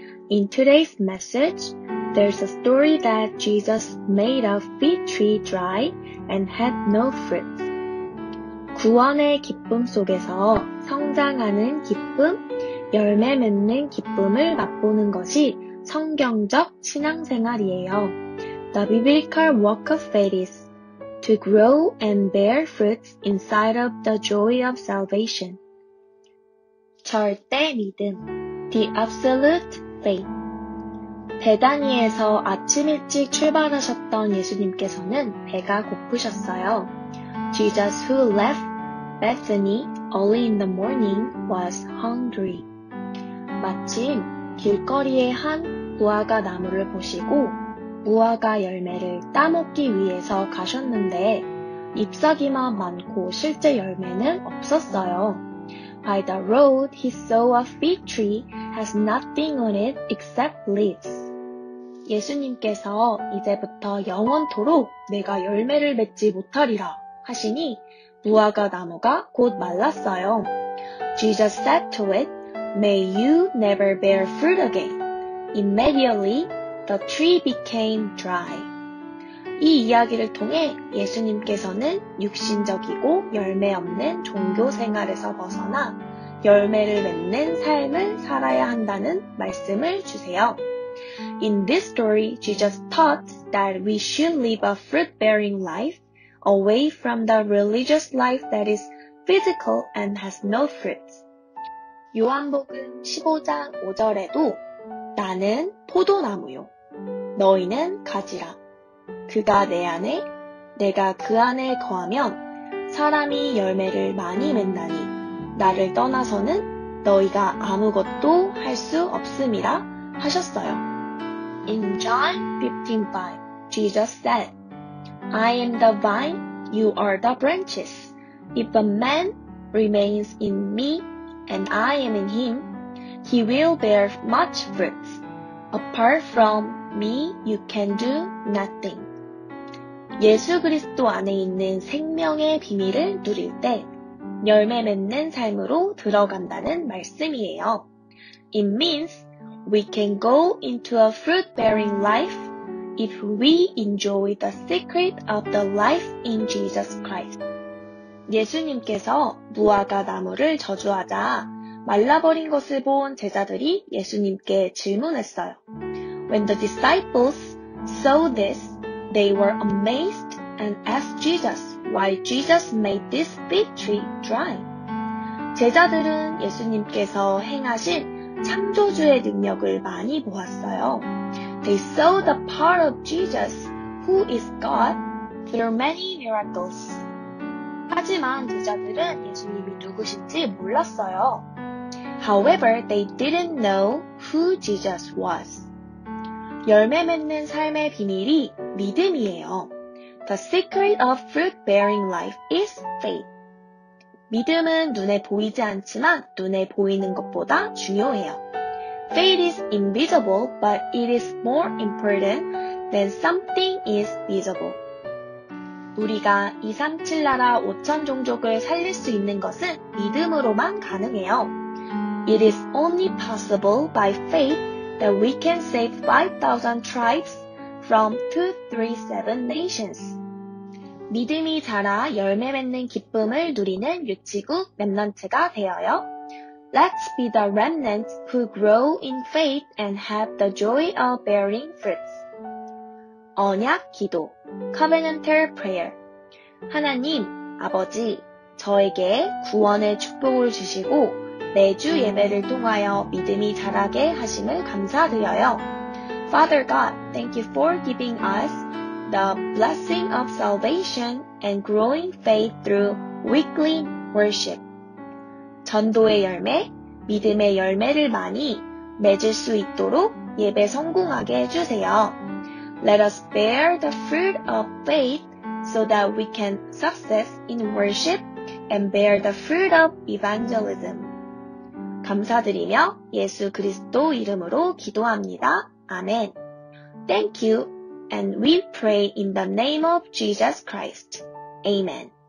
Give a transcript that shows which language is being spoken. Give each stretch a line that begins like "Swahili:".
English: In today's message, there's a story that Jesus made a fig tree dry and had no fruit.
Korean: 구원의 기쁨 속에서 성장하는 기쁨, 열매 맺는 기쁨을 맛보는 것이 성경적 신앙생활이에요.
English: The biblical walk of faith is to grow and bear fruits inside of the joy of salvation.
Korean: 절대 믿음,
English: the absolute faith.
Korean: 베다니에서 아침 일찍 출발하셨던 예수님께서는 배가 고프셨어요.
English: Jesus who left Bethany early in the morning was hungry.
Korean: 마침 길거리에 한 무화과 나무를 보시고 무화과 열매를 따먹기 위해서 가셨는데 잎사귀만 많고 실제 열매는 없었어요.
English: By the road, he saw a fig tree has nothing on it except leaves.
Korean: 예수님께서 이제부터 영원토록 내가 열매를 맺지 못하리라 하시니 무화과 나무가 곧 말랐어요.
English: Jesus said to it, May you never bear fruit again. Immediately, the tree became dry.
Korean: 이 이야기를 통해 예수님께서는 육신적이고 열매 없는 종교 생활에서 벗어나 열매를 맺는 삶을 살아야 한다는 말씀을 주세요.
English: In this story, Jesus taught that we should live a fruit-bearing life away from the religious life that is physical and has no fruits.
Korean: 요한복음 15장 5절에도 나는 포도나무요. 너희는 가지라. 그가 내 안에, 내가 그 안에 거하면 사람이 열매를 많이 맺나니 나를 떠나서는 너희가 아무것도 할 수 없음이라 하셨어요.
English: In John 15:5, Jesus said, I am the vine, you are the branches. If a man remains in me and I am in him, he will bear much fruits. Apart from me, you can do nothing.
Korean: 예수 그리스도 안에 있는 생명의 비밀을 누릴 때 열매 맺는 삶으로 들어간다는 말씀이에요.
English: It means we can go into a fruit-bearing life if we enjoy the secret of the life in Jesus Christ.
Korean: 예수님께서 무화과 나무를 저주하자 말라버린 것을 본 제자들이 예수님께 질문했어요.
English: When the disciples saw this, they were amazed and asked Jesus why Jesus made this fig tree dry.
Korean: 제자들은 예수님께서 행하신 창조주의 능력을 많이 보았어요.
English: They saw the power of Jesus, who is God, through many miracles.
Korean: 하지만 제자들은 예수님이 누구신지 몰랐어요.
English: However, they didn't know who Jesus was.
Korean: 열매 맺는 삶의 비밀이 믿음이에요.
English: The secret of fruit-bearing life is faith.
Korean: 믿음은 눈에 보이지 않지만 눈에 보이는 것보다 중요해요.
English: Faith is invisible, but it is more important than something is visible.
Korean: 우리가 237 나라 5천 종족을 살릴 수 있는 것은 믿음으로만 가능해요.
English: It is only possible by faith that we can save 5,000 tribes from 237 nations.
Korean: 믿음이 자라 열매 맺는 기쁨을 누리는 유치국 렘넌트가 되어요.
English: Let's be the remnants who grow in faith and have the joy of bearing fruits.
Korean: 언약 기도,
English: covenantal prayer.
Korean: 하나님, 아버지, 저에게 구원의 축복을 주시고 매주 예배를 통하여 믿음이 자라게 하심을 감사드려요.
English: Father God, thank you for giving us the blessing of salvation and growing faith through weekly worship.
Korean: 전도의 열매, 믿음의 열매를 많이 맺을 수 있도록 예배 성공하게 해주세요.
English: Let us bear the fruit of faith so that we can success in worship and bear the fruit of evangelism.
Korean: 감사드리며 예수 그리스도 이름으로 기도합니다. 아멘.
English: Thank you, and we pray in the name of Jesus Christ. Amen.